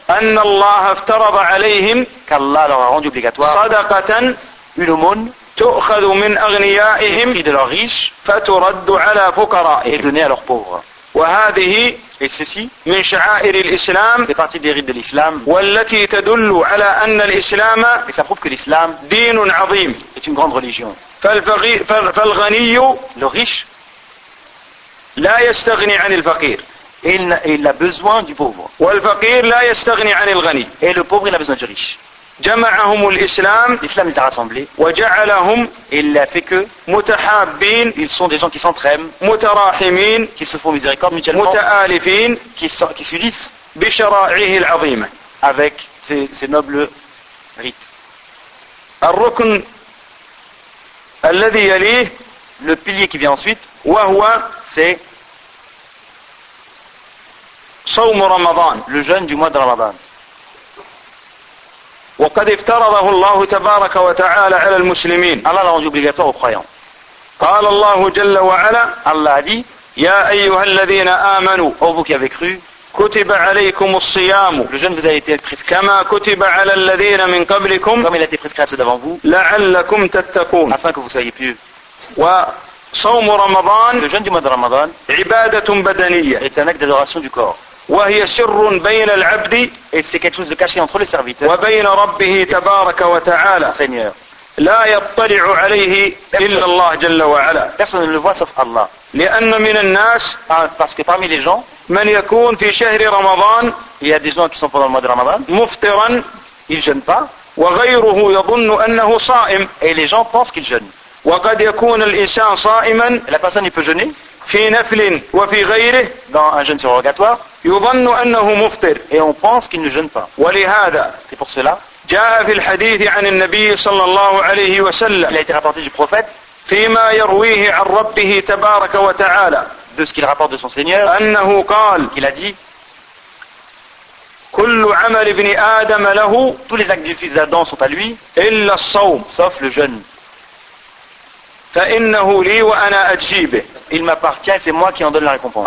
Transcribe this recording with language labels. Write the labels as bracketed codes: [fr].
[ar] أن الله افترض عليهم. [fr] Qu'Allah leur a rendu obligatoire. [ar] صدقة. [fr] Une aumône. [ar] تؤخذ من أغنيائهم. [fr] Prix de leurs riches. [ar] فترد على فقرائهم. [fr] Et donnée à leurs pauvres. [ar] وهذه [fr] et ceci [ar] من شعائر الإسلام [fr] fait partie des rites de l'islam [ar] والتي تدل على أن الإسلام [fr] et ça prouve que l'islam [ar] دين عظيم [fr] est une grande religion [ar] فالغني [fr] le riche [ar] لا يستغني عن الفقير [fr] il a besoin du pauvre [ar] والفقير لا يستغني عن الغني [fr] et le pauvre il a besoin du riche [ar] جمعهم الإسلام [fr] l'islam les a rassemblés [ar] وجعلهم [fr] il a fait que [ar] متحابين [fr] ils sont des gens qui s'entraiment [ar] متراحمين [fr] qui se font miséricorde mutuellement [ar] متآلفين [fr] qui s'unissent [ar] بشرائعه العظيمة [fr] avec ces nobles rites [ar] الركن الذي يليه [fr] le pilier qui vient ensuite [ar] وهو [fr] c'est [ar] صوم رمضان [fr] le jeûne du mois de Ramadan [ar] وقد افترضه الله تبارك وتعالى على المسلمين. [fr] Allah l'a rendu obligatoire aux croyants. [ar] قال الله جل وعلا. [fr] Allah a dit: [ar] يا أيها الذين آمنوا. [fr] Oh vous qui avez cru. [ar] كتب عليكم الصيام. [fr] Le jeûne vous a été prescrit. [ar] كما كتب على الذين من قبلكم. [fr] Comme il a été prescrit à ceux d'avant vous. [ar] لعلكم تتقون. [fr] Afin que vous soyez pieux. [ar] وصوم رمضان. [fr] Le jeûne du mois de Ramadan. [ar] عبادة بدنية. [fr] Est un acte d'adoration du corps. [ar] وهي سر بين العبد [fr] et c'est quelque chose de caché entre le serviteur [ar] وبين ربه تبارك وتعالى [fr] Seigneur [ar] لا يطلع عليه إلا الله جل وعلا [fr] personne ne le voit sauf Allah [ar] لأن من الناس [fr] parce que parmi les gens [ar] من يكون في شهر رمضان [fr] il y a des gens qui sont pendant le mois de Ramadan [ar] مفطرا [fr] il jeûne pas [ar] وغيره يظن أنه صائم [fr] et les gens pensent qu'il jeûne [ar] وقد يكون الإنسان صائما [fr] la personne il peut jeûner [ar] في نفل وفي غيره [fr] dans un jeûne surrogatoire [ar] يظن أنه مفطر [fr] et on pense qu'il ne jeûne pas [ar] ولهذا [fr] c'est pour cela [ar] جاء في الحديث عن النبي صلى الله عليه وسلم [fr] il a été rapporté du prophète [ar] فيما يرويه عن ربه تبارك وتعالى [fr] de ce qu'il rapporte de son Seigneur [ar] أنه قال [fr] qu'il a dit [ar] كل عمل ابن آدم له [fr] tous les actes du fils d'Adam sont à lui [ar] إلا الصوم [fr] sauf le jeûne [ar] فإنه لي وأنا أجيبه [fr] il m'appartient c'est moi qui en donne la récompense